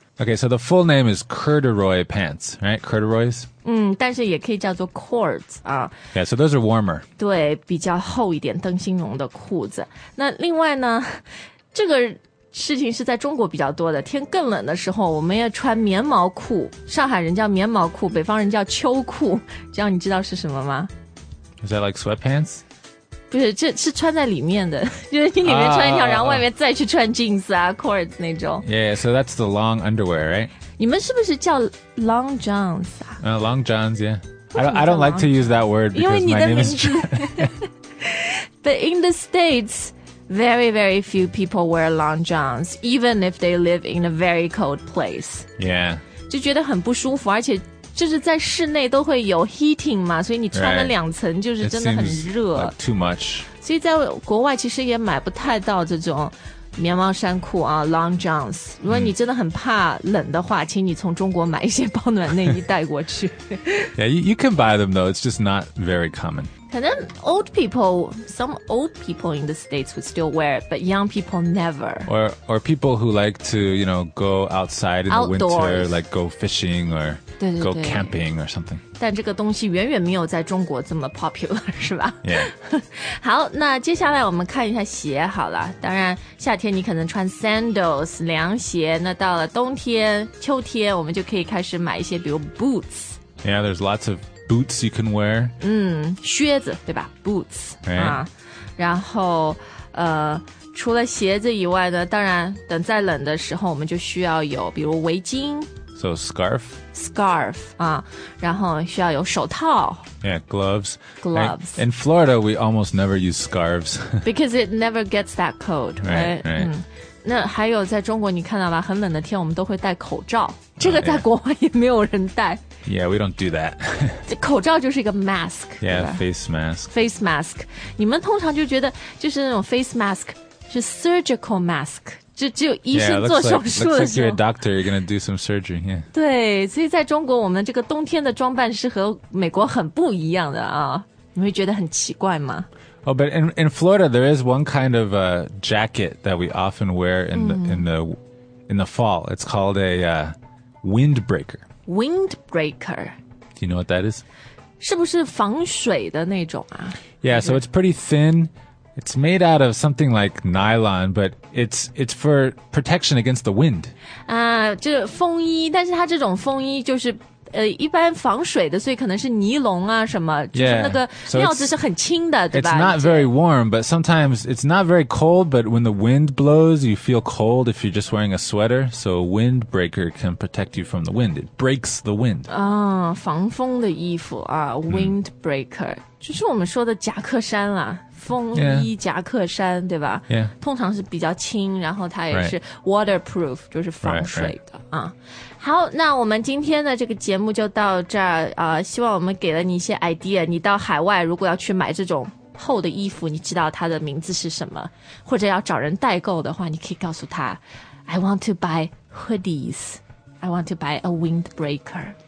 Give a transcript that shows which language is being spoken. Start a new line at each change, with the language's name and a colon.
English: OK, so the full name is corduroy pants, right? Corduroys?
Chinese: 但是也可以叫做 cords、
English: Yeah, so those are warmer.
Chinese: 对，比较厚一点灯芯绒的裤子。那另外呢，这个事情是在中国比较多的，天更冷的时候我们要穿棉毛裤，上海人叫棉毛裤，北方人叫秋裤，这样你知道是什么吗？
English: Is that like sweatpants?
Chinese: 不是，这是穿在里面的，就是你里面穿一条、然后外面再去穿 jeans 啊 cords 那种。
English: Yeah, so that's the long underwear, right?
Chinese: 你们是不是叫 long johns 啊、
English: long johns, yeah. I don't like to use that word because
Chinese: 因为你的名字
English: my name is But in the States,very, very few people wear long johns, even if they live in a very cold place. Yeah.
Chinese: 就觉得很不舒服，而且就是在室内都会有 heating 嘛，所以你穿了两层就是真的很热。
English: Right. It seems like too much.
Chinese: 所以在国外其实也买不太到这种棉毛衫裤啊 ，long johns。如果你真的很怕冷的话，请你从中国买一些保暖内衣带过去。
English: Yeah, you can buy them though. It's just not very common.
Chinese: 可能
English: old people, some old people in the States would still wear it, but young people never. Or people who like to, you know, go outside in the winter, like go fishing or go camping or something.
Chinese: 但这个东西远远没有在中国这么 popular, 是吧
English: ？Yeah.
Chinese: 好，那接下来我们看一下鞋好了。当然，夏天你可能穿 sandals 凉鞋，那到了冬天、秋天，我们就可以开始买一些，比如 boots.
English: Yeah, there's lots of boots you can wear.
Chinese: 嗯，靴子对吧 ？Boots、
English: right.
Chinese: 啊，然后除了鞋子以外呢，当然等再冷的时候，我们就需要有比如围巾。
English: So scarf.
Chinese: Scarf, 啊，然后需要有手套。
English: Yeah, gloves. Gloves. In Florida, we almost never use scarves. Because it never gets that cold, right? right.、
Chinese: 嗯、那还有在中国你看到吧，很冷的天我们都会戴口罩。这个在国外也没有人戴。
English: Yeah, we don't do that.
Chinese: 口罩就是一个 mask.
English: Yeah, face mask. Face mask.
Chinese: 你们通常就觉得就是那种 face mask, 是 surgical mask. 就只有医生做手术的时候。
English: Yeah, looks like you're a doctor, you're going to do some surgery, yeah.
Chinese: 对，所以在中国我们这个冬天的装扮是和美国很不一样的啊。你会觉得很奇怪吗？
English: Oh, but in Florida, there is one kind of jacket that we often wear in the fall. It's called a windbreaker. Windbreaker. Do you know what that is?
Chinese: 是不是防水的那种啊？
English: Yeah, so it's pretty thin. It's made out of something like nylon, but it's for protection against the wind.
Chinese: 啊，这风衣，但是它这种风衣就是一般防水的，所以可能是尼龙啊什么，就是那个料子是很轻的，对吧？
English: It's not very warm, but sometimes it's not very cold, but when the wind blows, you feel cold if you're just wearing a sweater. So a windbreaker can protect you from the wind. It breaks the wind.
Chinese: 啊，防风的衣服啊 ，windbreaker，就是我们说的夹克衫啦。风衣夹克衫、
English: yeah.
Chinese: 对吧、
English: yeah.
Chinese: 通常是比较轻然后它也是 waterproof、
English: right.
Chinese: 就是防水的
English: right, right. 啊。
Chinese: 好那我们今天的这个节目就到这儿、希望我们给了你一些 idea 你到海外如果要去买这种厚的衣服你知道它的名字是什么或者要找人代购的话你可以告诉他
English: I want to buy hoodies I want to buy a windbreaker